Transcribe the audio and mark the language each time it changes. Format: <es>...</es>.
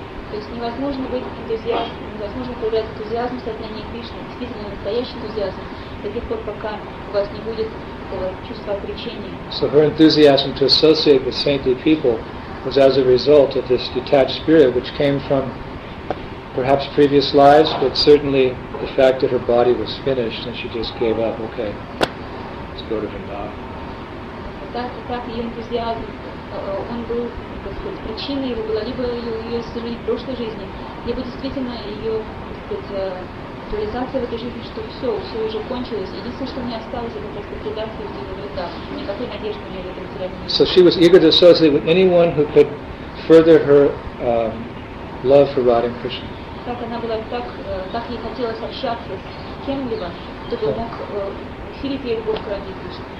<ru>То есть невозможно быть энтузиастом, невозможно проявлять энтузиазм в сознании Кришны, действительно настоящий энтузиазм, до тех пор, пока у вас не будет чувства отречения.</ru> <en>So her enthusiasm to associate with saintly people was as a result of this detached spirit, which came from perhaps previous lives, but certainly the fact that her body was finished and she just gave up, okay, let's go to Vrindavan.</en> <ru>Так ее энтузиазм, он был, так сказать, причиной его была либо ее сожаление в прошлой жизни, либо действительно ее, так сказать, актуализация в этой жизни, что все, все уже кончилось. Единственное, что мне осталось, это просто предаться в этом Вриндаване. Никакой надежды у нее в этом теряли.</ru> <en>So she was eager to associate with anyone who could further her love for Radha and Krishna.</en> <ru>Так она была, так ей хотелось общаться с кем-либо, кто бы мог усилить ее любовь к Радхе Кришне.</ru>